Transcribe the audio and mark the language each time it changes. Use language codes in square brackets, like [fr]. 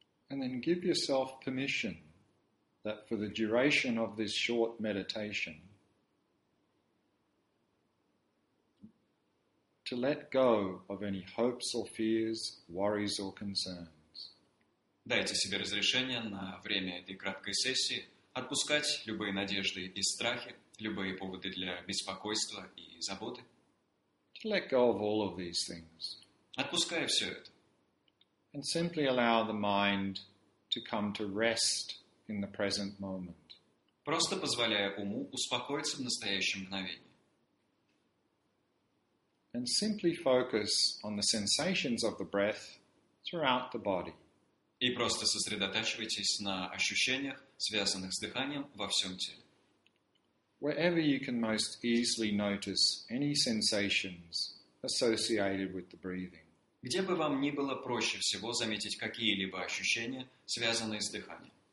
[en] And then give yourself permission that for the duration of this short meditation to let go of any hopes or fears, worries or concerns. [ru] Дайте себе разрешение на время этой краткой сессии отпускать любые надежды и страхи, любые поводы для беспокойства и заботы. [en] To let go of all of these things. [ru] Отпуская все это. [en] And simply allow the mind to come to rest in the present moment. [ru] Просто позволяя уму успокоиться в настоящем мгновении. [en] And simply focus on the sensations of the breath throughout the body. [ru] И просто сосредотачивайтесь на ощущениях, связанных с дыханием во всем теле. [en] Wherever you can most easily notice any sensations associated with the breathing. [ru] Где бы вам ни было проще всего заметить какие-либо ощущения, связанные с дыханием.